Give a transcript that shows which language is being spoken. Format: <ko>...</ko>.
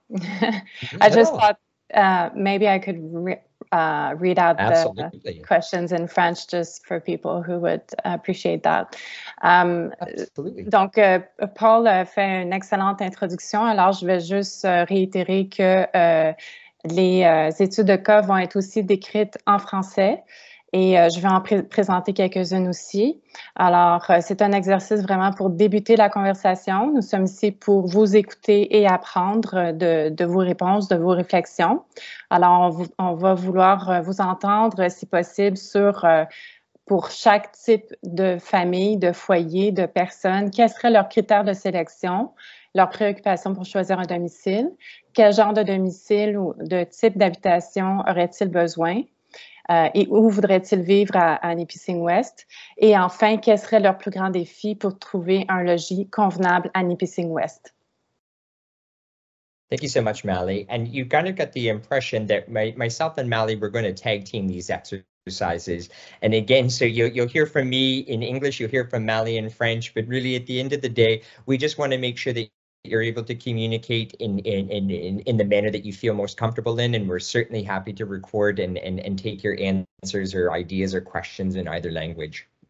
<en>I just thought maybe I could read out the questions in French just for people who would appreciate that.</en> <fr>Donc, Paul a fait une excellente introduction, alors je vais juste réitérer que les études de cas vont être aussi décrites en français. Et je vais en présenter quelques-unes aussi. Alors, c'est un exercice vraiment pour débuter la conversation. Nous sommes ici pour vous écouter et apprendre de vos réponses, de vos réflexions. Alors, on va vouloir vous entendre, si possible, sur pour chaque type de famille, de foyer, de personne, quels seraient leurs critères de sélection, leurs préoccupations pour choisir un domicile, quel genre de domicile ou de type d'habitation aurait-il besoin? Et où voudraient-ils vivre à Nipissing Ouest? Et enfin, quels seraient leurs plus grands défis pour trouver un logis convenable à Nipissing Ouest?</fr> <en>Thank you so much, Mally. And you kind of got the impression that myself and Mally were going to tag team these exercises. And again, so you'll hear from me in English, you'll hear from Mally in French, but really at the end of the day, we just want to make sure that you're able to communicate in the manner that you feel most comfortable in, and we're certainly happy to record and take your answers or ideas or questions in either language.</en>